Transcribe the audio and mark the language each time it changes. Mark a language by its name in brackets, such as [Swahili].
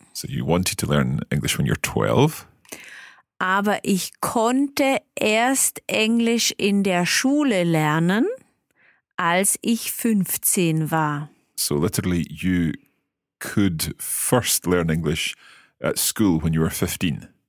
[English] So you wanted to learn English when you're 12. [German] Aber ich konnte erst Englisch in der Schule lernen, als ich 15 war. [English] So literally, you could first learn English at school when you were 15.